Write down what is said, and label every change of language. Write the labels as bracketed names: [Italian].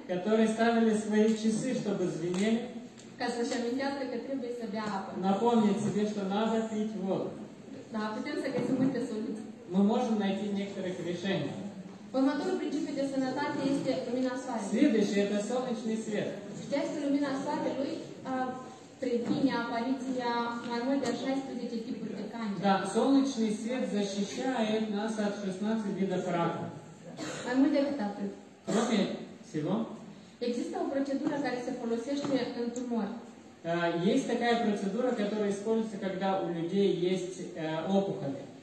[Russian] Которые ставили свои часы, чтобы звенели. [Romanian] Ca să-și amintească că trebuie să bea apă. [Russian] Напомнить себе, что надо пить воду. [Romanian] Да, putem să găsim multe soluții. [Russian] Мы можем найти некоторых решений. [Romanian] Următorul principiu de sănătate este lumina soarelui. [Russian] Следующее это солнечный свет. [Romanian] Știați că lumina soarelui previne apariția mai mult de 16 tipuri de cancer. [Russian] Да, солнечный свет защищает нас от 16 видов рака. [Romanian] Mai mult decât atât. [Russian] Кроме всего. [Romanian] Există o procedură care se folosește în tumori. [Russian] Есть такая процедура, которая используется, когда у людей есть опухоли.